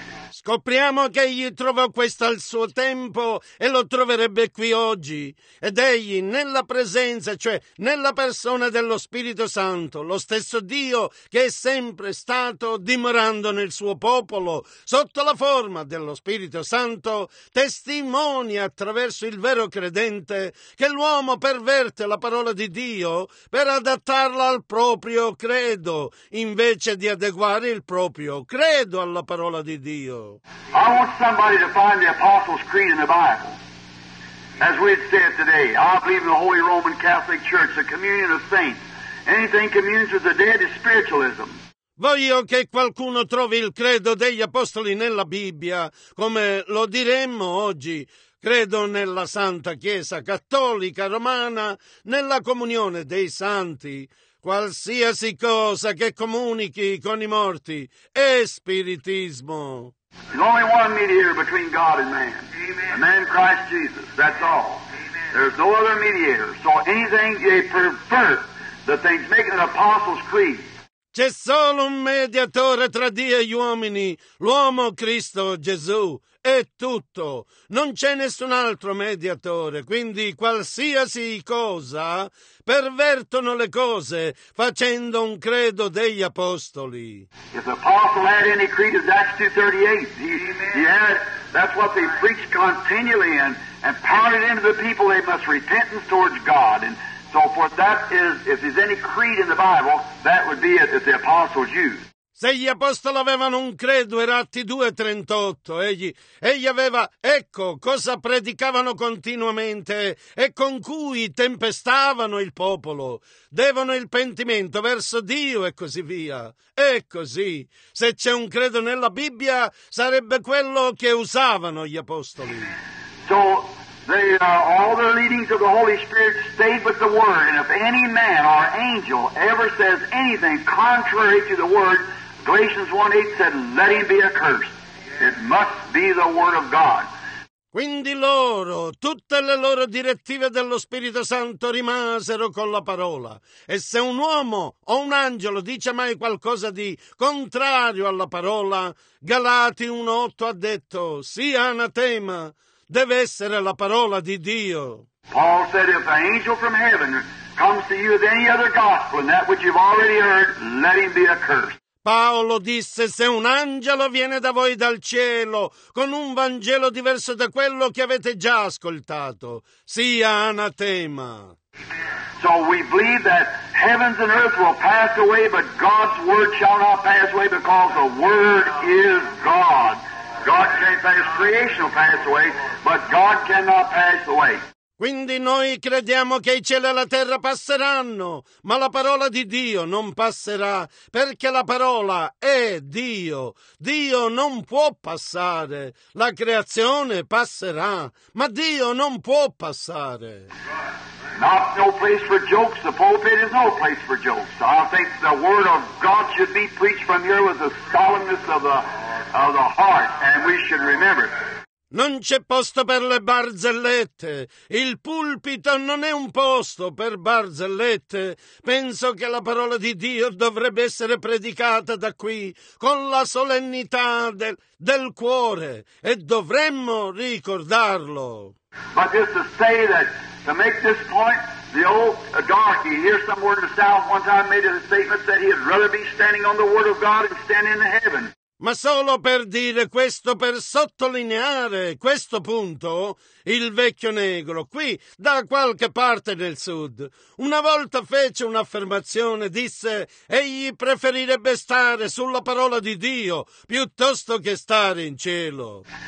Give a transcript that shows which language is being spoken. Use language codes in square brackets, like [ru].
[it] Scopriamo che egli trovò questo al suo tempo e lo troverebbe qui oggi. Ed egli, nella presenza, cioè nella persona dello Spirito Santo, lo stesso Dio che è sempre stato dimorando nel suo popolo, sotto la forma dello Spirito Santo, testimonia attraverso il vero credente che l'uomo perverte la parola di Dio per adattarla al proprio credo, invece di adeguare il proprio credo alla parola di Dio. [en] I want somebody to find the Apostles' Creed in the Bible. As we'd said today, I believe in the Holy Roman Catholic Church, the communion of saints. Anything communes with the dead is spiritualism. [it] Voglio che qualcuno trovi il credo degli Apostoli nella Bibbia, come lo diremmo oggi. Credo nella Santa Chiesa Cattolica Romana, nella comunione dei santi. Qualsiasi cosa che comunichi con i morti è spiritismo. [en] There's only one mediator between God and man, the man Christ Jesus, that's all. There's no other mediator, so anything they pervert, the things make an Apostles' Creed. [it] C'è solo un mediatore tra Dio e gli uomini, l'uomo Cristo Gesù. È tutto. Non c'è nessun altro mediatore, quindi qualsiasi cosa pervertono le cose facendo un credo degli apostoli. [en] If the apostle had any creed of Acts 2:38, that's what they preached continually and parted into the people, they must repentance towards God. And so for that is, if there's any creed in the Bible, that would be it if the apostles used. [it] Se gli apostoli avevano un credo, era Atti 2:38, egli aveva, ecco cosa predicavano continuamente e con cui tempestavano il popolo. Devono il pentimento verso Dio e così via. E così, se c'è un credo nella Bibbia, sarebbe quello che usavano gli apostoli. [en] So, all the leadings of the Holy Spirit stayed with the Word, and if any man or angel ever says anything contrary to the Word, Galatians 1:8 said, let him be accursed. It must be the word of God. [it] Quindi loro, tutte le loro direttive dello Spirito Santo rimasero con la parola. E se un uomo o un angelo dice mai qualcosa di contrario alla parola, Galati 1:8 ha detto, sia anatema, deve essere la parola di Dio. [en] Paul said, if an angel from heaven comes to you with any other gospel than that which you've already heard, let him be accursed. [it] Paolo disse, se un angelo viene da voi dal cielo con un Vangelo diverso da quello che avete già ascoltato, sia anatema. [en] So we believe that heavens and earth will pass away, but God's word shall not pass away because the word is God. God can't pass, creation will pass away, but God cannot pass away. [it] Quindi noi crediamo che i cieli e la terra passeranno, ma la parola di Dio non passerà, perché la parola è Dio. Dio non può passare. La creazione passerà, ma Dio non può passare. [en] Not no place for jokes. The pulpit is no place for jokes. I think the word of God should be preached from here with the solemnness of the heart, and we should remember. [it] Non c'è posto per le barzellette. Il pulpito non è un posto per barzellette. Penso che la parola di Dio dovrebbe essere predicata da qui con la solennità del cuore, e dovremmo ricordarlo. [en] But just to say that, to make this point, the old darky here somewhere in the south one time made a statement that he'd rather be standing on the word of God than standing in heaven. [it] Ma solo per dire questo, per sottolineare questo punto, il vecchio negro, qui, da qualche parte nel sud, una volta fece un'affermazione, disse, egli preferirebbe stare sulla parola di Dio piuttosto che stare in cielo.